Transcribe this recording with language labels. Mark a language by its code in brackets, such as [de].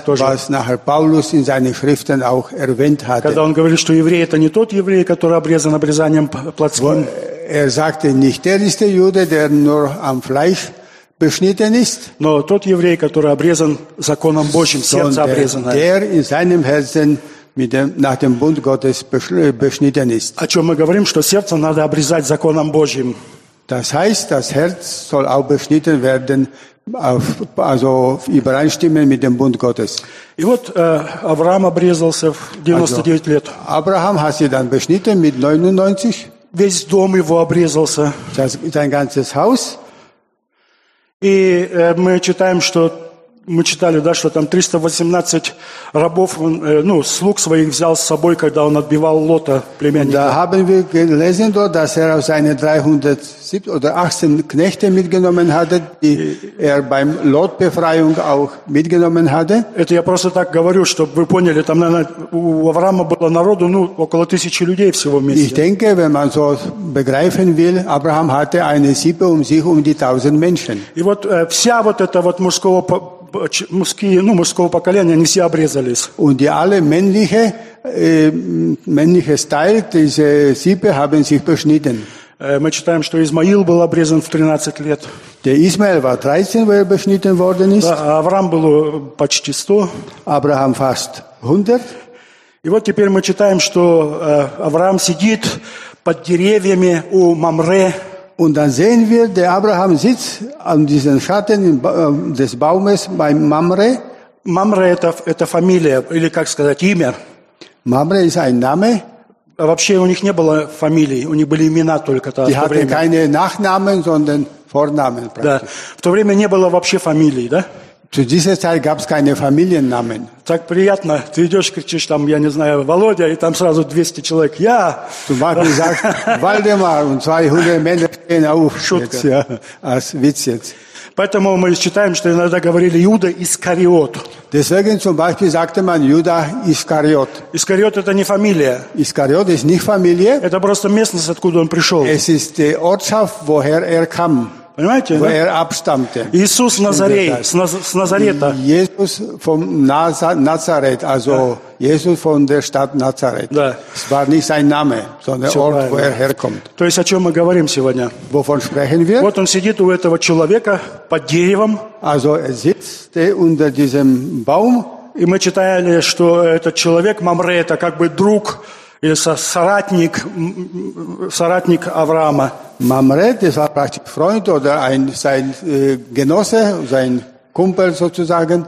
[de] das, [ru] тоже. [de] Was nachher Paulus in seinen Schriften auch erwähnt hatte. [ru] Когда он говорит, что еврей – это не тот еврей, который обрезан обрезанием плотским. [de] Er sagte, nicht der ist der Jude, der nur am Fleisch beschnitten ist. [ru] Но тот еврей, который обрезан законом Божьим, сердце обрезанное. [de] Der in seinem Herzen mit dem, nach dem Bund Gottes beschnitten ist. [ru] О чем мы говорим, что сердце надо обрезать законом Божьим. [de] Das heißt, das Herz soll auch beschnitten werden, auf, also übereinstimmen mit dem Bund Gottes. [ru] И вот Авраам обрезался в 99 лет. [de] Abraham hat sich dann beschnitten mit 99. [ru] Весь дом его обрезался. [de] Sein ganzes Haus. [ru] И мы читаем, что мы читали, да, что там 318 рабов, ну, слуг своих взял с собой, когда он отбивал Лота, племянника. [de] Da haben wir gelesen, dass er seine 318 Knechte mitgenommen hatte, die er beim Lotbefreiung auch mitgenommen hatte. [ru] Это я просто так говорю, чтобы вы поняли, там, наверное, у Авраама было народу, ну, около 1000 людей всего вместе. [de] Ich denke, wenn man so begreifen will, Abraham hatte eine Sippe um sich, um die 1000 Menschen. [ru] И вот вся вот эта вот мужского мужские, ну, мужского поколения, они все обрезались. [de] Und die alle männliche, männliche Teil dieser Sippe haben sich beschnitten. [ru] Мы читаем, что Измаил был обрезан в 13 лет. [de] Der Ismael war 13, wo er beschnitten worden ist. [ru] Да, Авраам было почти 100. [de] Abraham fast 100. [ru] И вот теперь мы читаем, что Авраам сидит под деревьями у Мамре. [de] Und dann sehen wir, der Abraham sitzt an diesen Schatten des Baumes bei Mamre. [ru] Mamre это фамилия или как сказать имя? [de] Mamre ist ein Name. [ru] Вообще у них не было фамилий, у них были имена только тогда. [de] Die hatten keine Nachnamen, sondern Vornamen. [ru] Да. В то время не было вообще фамилий, да? [de] Zu dieser Zeit gab es keine Familiennamen. [ru] Так приятно, ты идешь, кричишь там, я не знаю, Володя, и там сразу 200 человек. Я! [de] Zum Beispiel sagt Waldemar und 200 Männer stehen auf. [ru] Шутка. [de] Ja, als Witz jetzt. [ru] Поэтому мы считаем, что иногда говорили Юда Искариот. [de] Deswegen zum Beispiel sagte man Judas Iskariot. [ru] Искариот это не фамилия. [de] Искариот ist nicht Familie. [ru] Это просто местность, откуда он пришел. [de] Es ist die Ortschaft, woher er kam. [ru] Понимаете? [de] Wo er abstammte. [ru] Иисус Назарей, с Назарета. [de] Иисус von Nazareth, also Jesus von der Stadt Nazareth. [ru] Да. [de] Es war nicht sein Name, sondern Все Ort, [ru] правильно. [de] Wo er herkommt. [ru] То есть, о чем мы говорим сегодня? [de] Wovon sprechen wir? [ru] Вот он сидит у этого человека под деревом. [de] Also er sitzt unter diesem Baum. [ru] И мы читали, что этот человек, Мамре, это как бы друг или соратник Авраама. [de] Mamre, das war praktisch Freund oder ein, sein Genosse, sein Kumpel sozusagen.